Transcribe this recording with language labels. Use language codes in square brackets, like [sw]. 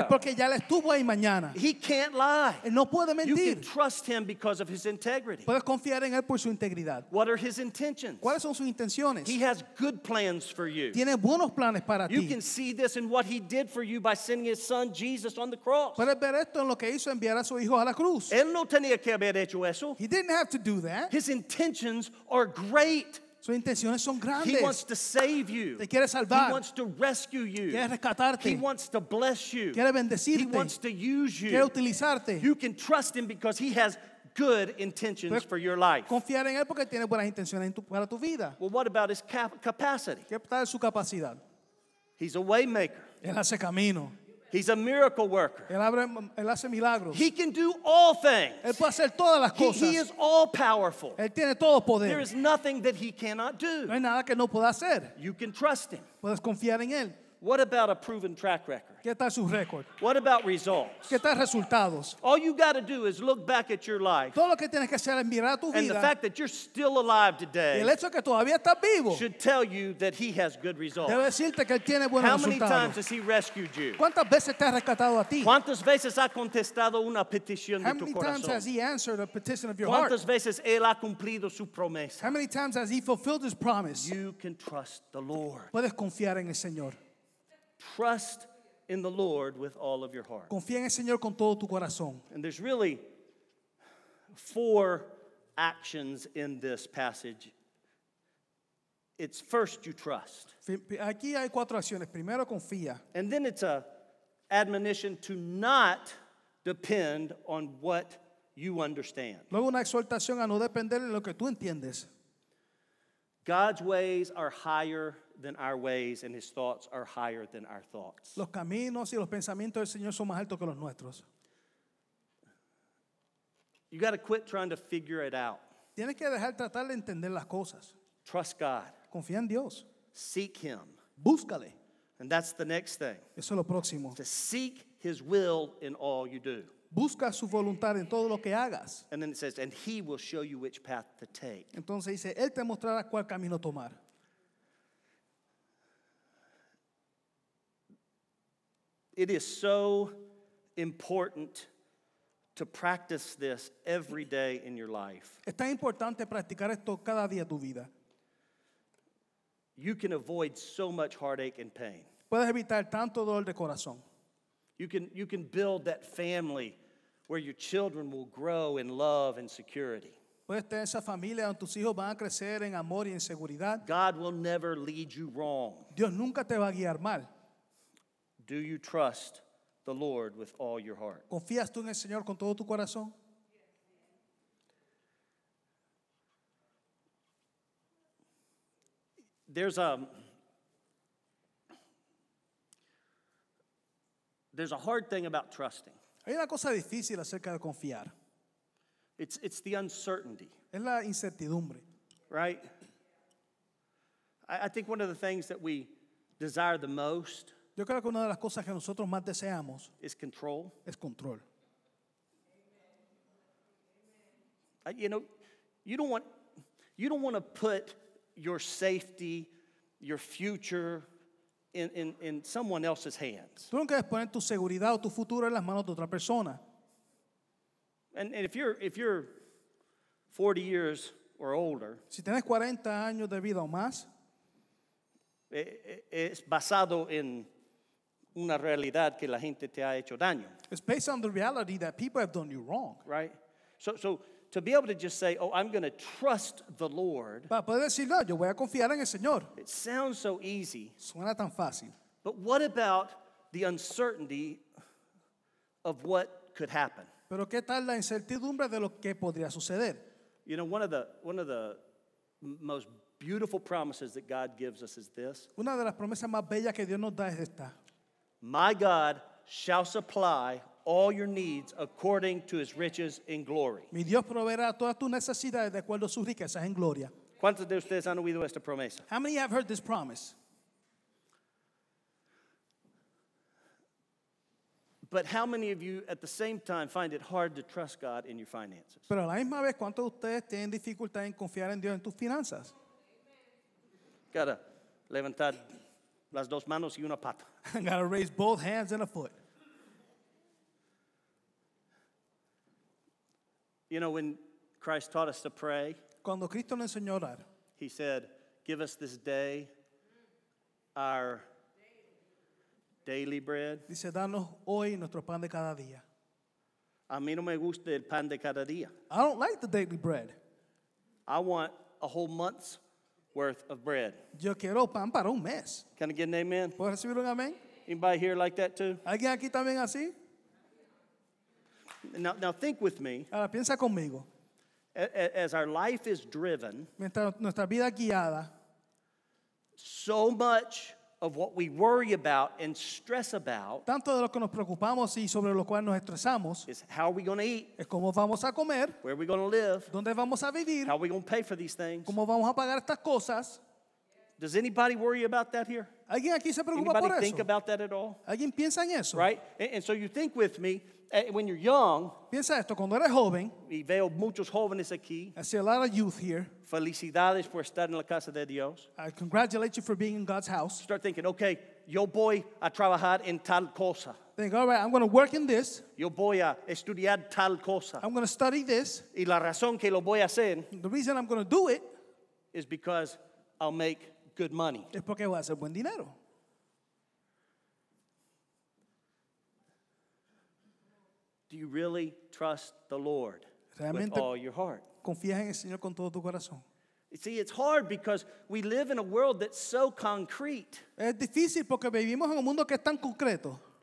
[es] Es porque ya le estuvo ahí mañana. [en] He can't lie. [es] Él no puede mentir. [en] You can trust him because of his integrity. [es] Puedes confiar en él por su integridad. integridad. [en] What are his intentions? [es] ¿Cuáles son sus intenciones? [en] He has good plans for you. [es] Tiene buenos planes para [en] you [es] ti. [en] Can see this in what he did for you by sending his son Jesus on the cross. [es] Puedes ver esto en lo que hizo enviar a su hijo a la cruz. Él no tenía que haber hecho eso. [en] He didn't have to do that. His intentions are great. [es] Sus intenciones son grandes. [en] He wants to save you. [es] Te quiere salvar. [en] He wants to rescue you. [es] Quiere rescatarte. [en] He wants to bless you. [es] Quiere bendecirte. [en] He wants to use you. [es] Quiere utilizarte. [en] You can trust him because he has good intentions [es] Puedes [en] for your life. [es] Confiar en él porque tiene buenas intenciones para tu vida. [en] Well, what about his capacity? [es] ¿Qué tal su capacidad? [en] He's a waymaker. [es] Él hace camino. [en] He's a miracle worker. [es] Él hace milagros. [en] He can do all things. [es] Él puede hacer todas las cosas. [en] He is all powerful. [es] Él tiene todo poder. [en] There is nothing that he cannot do. [es] No hay nada que no pueda hacer. [en] You can trust him. [es] Puedes confiar en él. [en] What about a proven track record? [es] ¿Qué tal su récord? [en] What about results? [es] ¿Qué tal resultados? [en] All you got to do is look back at your life. [es] Todo lo que tienes que hacer es mirar tu vida. [en] And the fact that you're still alive today. [es] El hecho que todavía estás vivo. [en] Should tell you that he has good results. [es] Debe decirte que él tiene buenos resultados. [en] How many times has he rescued you? [es] ¿Cuántas veces te ha rescatado a ti? ¿Cuántas veces ha contestado una petición de tu corazón? [en] How many times has he answered a petition of your [es] ¿Cuántas [en] heart? [es] ¿Cuántas veces él ha cumplido su promesa? [en] How many times has he fulfilled his promise? You can trust the Lord. [es] Puedes confiar en el Señor. [en] Trust in the Lord with all of your heart. [es] Confía en el Señor con todo tu corazón. [en] And there's really four actions in this passage. It's first you trust. [es] Aquí hay cuatro acciones. Primero confía. [en] And then it's a admonition to not depend on what you understand. [es] Luego una exhortación a no depender en lo que tú entiendes. [en] God's ways are higher than our ways, and his thoughts are higher than our thoughts. [es] Los caminos y los pensamientos del Señor son más altos que los nuestros. [en] You got to quit trying to figure it out. [es] Tienes que dejar tratar de entender las cosas. [en] Trust God. [es] Confía en Dios. [en] Seek him. [es] Búscale. [en] And that's the next thing. [es] Eso es lo próximo. [en] To seek his will in all you do. [es] Busca su voluntad en todo lo que hagas. [en] And then it says, and he will show you which path to take. [es] Entonces dice, él te mostrará cuál camino tomar. [en] It is so important to practice this every day in your life. [es] Es tan importante practicar esto cada día de tu vida. [en] You can avoid so much heartache and pain. [es] Puedes evitar tanto dolor de corazón. [en] You can build that family where your children will grow in love and security. [es] Puedes tener esa familia donde tus hijos van a crecer en amor y en seguridad. [en] God will never lead you wrong. [es] Dios nunca te va a guiar mal. [en] Do you trust the Lord with all your heart? [es] ¿Confías tú en el Señor con todo tu corazón? [en] There's a hard thing about trusting. [es] Hay una cosa difícil acerca de confiar. [en] It's the uncertainty. [es] Es la incertidumbre. [en] Right? I think one of the things that we desire the most. [es] Yo creo que una de las cosas que nosotros más deseamos [en] is control. [es] Es control. [en] You know, you don't want to put your safety, your future in someone else's hands. [es] Tú no quieres poner tu seguridad o tu futuro en las manos de otra persona. [en] And if you're 40 years or older, [es] si tienes 40 años de vida o más, es basado en una realidad que la gente te ha hecho daño. [en] It's based on the reality that people have done you wrong. Right? So to be able to just say, oh, I'm going to trust the Lord. [es] Para poder decir, no, yo voy a confiar en el Señor. [en] It sounds so easy. [es] Suena tan fácil. [en] But what about the uncertainty of what could happen? [es] Pero ¿qué tal la incertidumbre de lo que podría suceder? [en] You know, one of the most beautiful promises that God gives us is this. [es] Una de las promesas más bellas que Dios nos da es esta. [en] My God shall supply all your needs according to his riches in glory. [es] Mi Dios proveerá todas tus necesidades de acuerdo a sus riquezas en gloria. ¿Cuántos de ustedes han oído esta promesa? [en] How many have heard this promise? But how many of you at the same time find it hard to trust God in your finances? [es] Pero a la misma vez, ¿cuántos de ustedes tienen dificultad en confiar en Dios en tus finanzas? [en] Gotta [es] levantar las dos manos y una pata. [en] I gotta raise both hands and a foot. You know, when Christ taught us to pray, [es] Cuando Cristo nos enseñó a orar, [en] he said, give us this day our daily bread. [es] Dice, danos hoy nuestro pan de cada día. A mí no me gusta el pan de cada día. [en] I don't like the daily bread. I want a whole month's worth of bread. [es] Yo quiero pan para un mes. [en] Can I get an amen? [es] ¿Puedo recibir un amén? [en] Anybody here like that too? [es] ¿Alguien aquí también así? [en] Now think with me. [es] Ahora piensa conmigo. [en] As our life is driven, [es] mientras nuestra vida guiada, [en] so much of what we worry about and stress about, [es] tanto de lo que nos preocupamos y sobre lo cual nos estresamos, [en] is how are we going to eat? [es] Es cómo vamos a comer. [en] Where are we going to live? [es] ¿Dónde vamos a vivir? [en] How are we going to pay for these things? [es] ¿Cómo vamos a pagar estas cosas? [en] Does anybody worry about that here? [es] ¿Alguien aquí se preocupa por eso? [en] Anybody think about that at all? [es] ¿Alguien piensa en eso? [en] Right? And so you think with me, when you're young, [es] piensa esto, cuando eres joven, y veo muchos jóvenes aquí, [en] I see a lot of youth here. [es] Felicidades por estar en la casa de Dios. [en] I congratulate you for being in God's house. Start thinking, okay, [es] yo voy a trabajar en tal cosa. [en] Think, all right, I'm going to work in this. [es] Yo voy a estudiar tal cosa. [en] I'm going to study this. [es] Y la razón que lo voy a hacer, [en] the reason I'm going to do it, is because I'll make good money. [es] Es porque voy a hacer buen dinero. [en] Do you really trust the Lord [es] realmente [en] with all your heart? [es] Confías en el Señor con todo tu corazón. [en] See, it's hard because we live in a world that's so concrete. [es] Es difícil porque vivimos en un mundo que es tan concreto.